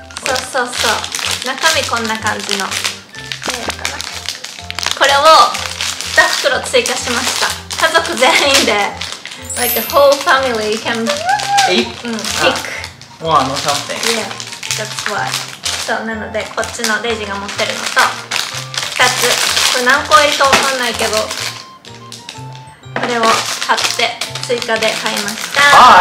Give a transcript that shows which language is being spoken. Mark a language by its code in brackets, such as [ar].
[ja] そうそうそう、中身こんな感じの。これを2袋追加しました。家族全員で。 [en] Like the whole family can eat, pick one or something. Yeah, that's why. [ja] So, なのでこっちのデイジーが持ってるのと、2つ、これ何個いるか分かんないけど、これを買って追加で買いました。